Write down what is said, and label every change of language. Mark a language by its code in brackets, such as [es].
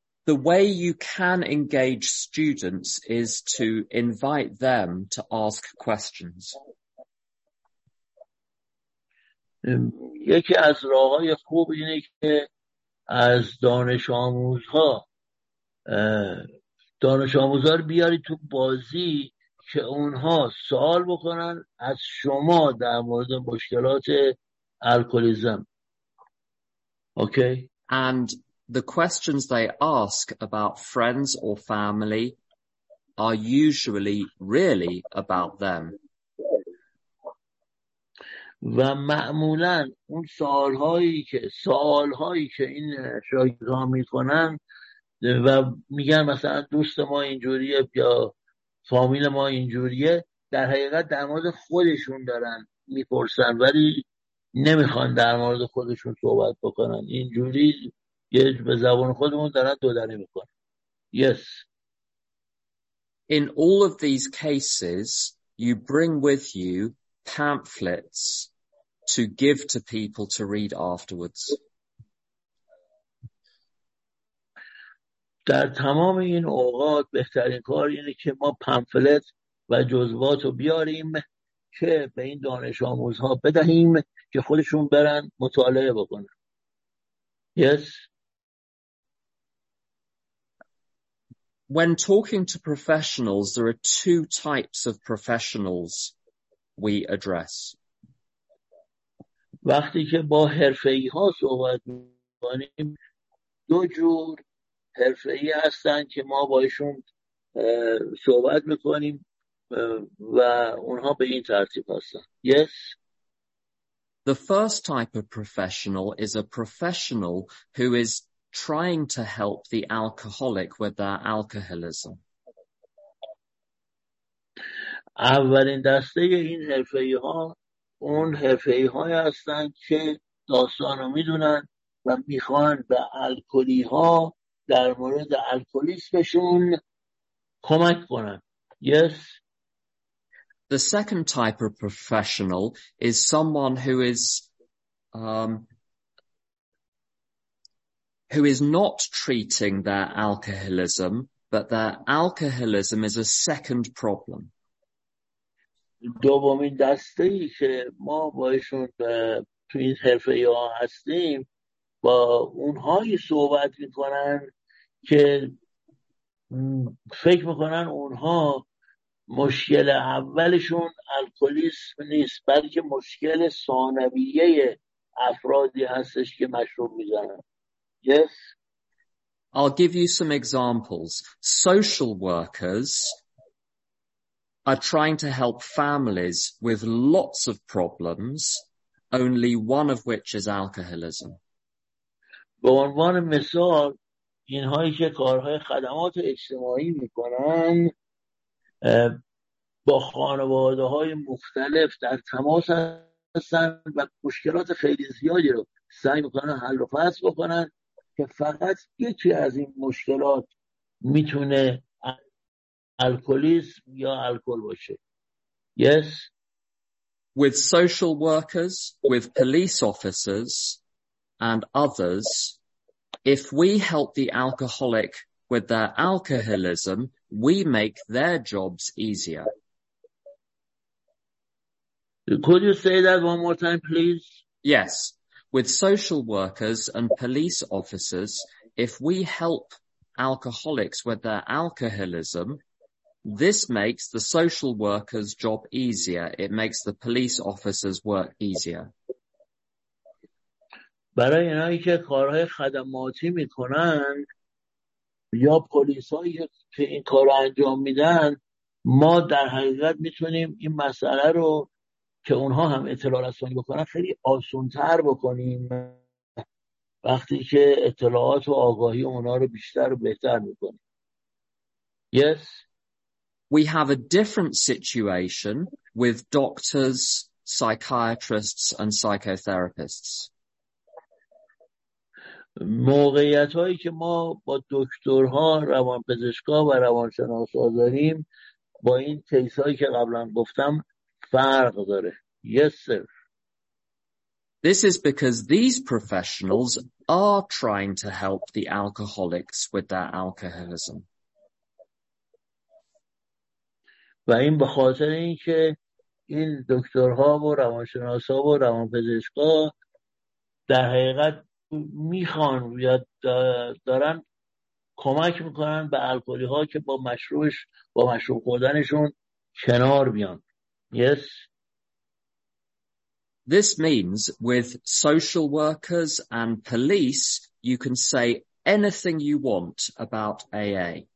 [en] The way you can engage students is to invite them to ask questions. [fa] یکی از راه‌های خوب اینه که از دانش آموزها رو بیاری تو بازی که اونها سوال بکنن از شما در مورد مشکلات الکلیسم. [en] Okay. And the questions they ask about friends or family are usually really about them. [fa] و معمولاً اون سوال‌هایی که این شاگردان می‌کنن و میگن مثلا دوست ما اینجوریه یا فامیل ما اینجوریه در حقیقت در مورد خودشون دارن می‌پرسن ولی نمی‌خوان در مورد خودشون صحبت بکنن. اینجوری یه به زبان خودمون دارن دودنه می‌کنن. [en] Yes. In all of these cases you bring with you pamphlets to give to people to read afterwards. [fa] در تمام این اوقات بهترین کار اینه که ما پمفلت و جزوات رو بیاریم که به این دانش آموزها بدهیم که خودشون برن مطالعه بکنن. [en] Yes. When talking to professionals, there are two types of professionals we address. [fa] وقتی که با حرفه‌ای ها صحبت می‌کنیم دو جور حرفه‌ای هستن که ما باشون صحبت می‌کنیم و اونها به این ترتیب هستن. [en] Yes. The first type of professional is a professional who is trying to help the alcoholic with their alcoholism. [fa] اولین دسته این حرفه‌ای ها اون حرفه‌ای های هستن که داستان رو میدونن و میخوان به الکلی ها در مورد الکلیسمشون کمک کنن. [en] Yes. The second type of professional is someone who is not treating their alcoholism but that alcoholism is a second problem. [fa] دومین دسته‌ای که ما باشون تو این حرفه یا هستیم با اونهایی صحبت میکنن که فکر میکنن اونها مشکل اولشون الکلیسم نیست بلکه مشکل ثانویه افرادی هستش که مشروب میزنن. [en] Yes? I'll give you some examples. Social workers are trying to help families with lots of problems, only one of which is alcoholism. [fa] به عنوان مثال اینهایی که کارهای خدمات اجتماعی میکنن با خانواده های مختلف در تماس هستن و مشکلات خیلی زیادی رو سعی میکنن حل و فصل بکنن که فقط یکی از این مشکلات میتونه الکولیسم یا الکول باشه. [en] Yes. With social workers, with police officers and others, if we help the alcoholic with their alcoholism, we make their jobs easier. Could you say that one more time, please? Yes. With social workers and police officers, if we help alcoholics with their alcoholism, this makes the social worker's job easier. It makes the police officers' work easier. [fa] برای اینایی که کارهای خدماتی میکنن یا پلیسایی که این کارو انجام میدن ما در حقیقت میتونیم این مسئله رو که اونها هم اطلاع رسانی بکنن خیلی آسان‌تر بکنیم وقتی که اطلاعات و آگاهی اونها رو بیشتر و بهتر میکنیم. [en] Yes. We have a different situation with doctors, psychiatrists and psychotherapists. [fa] موقعیتایی که ما با دکترها، روانپزشکا و روانشناسا داریم با این کیسایی که قبلا گفتم فرق داره. [en] Yes sir. This is because these professionals are trying to help the alcoholics with their alcoholism. [fa] و این به خاطر اینکه این دکترها و روانشناسها و روانپزشکها در حقیقت میخوان یا دارن کمک میکنن به الکلی ها که با مشروبش با مشروب خوردنشون کنار بیان. [en] Yes. This means with social workers and police you can say anything you want about AA.